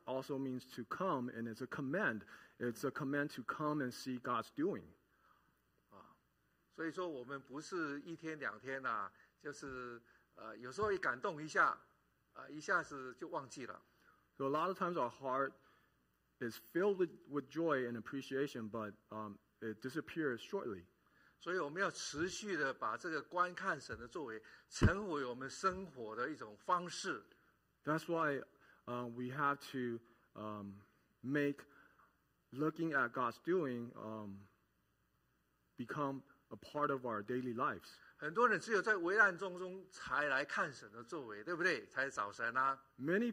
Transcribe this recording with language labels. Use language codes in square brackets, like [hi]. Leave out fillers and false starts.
[en] also means to come, and it's a command. It's a command to come and see God's doing. [zh] 所以说我们不是一天两天啊，就是有时候一感动一下，一下子就忘记了。 [en] So a lot of times our heart is filled with joy and appreciation, but it disappears shortly. So we need to continue to make this watching God's work. That's why we have to make looking at God's doing become a part of our daily lives. [zh] 很多人只有在危难中才来看神的作为，对不对？才找神啊。 [en] Many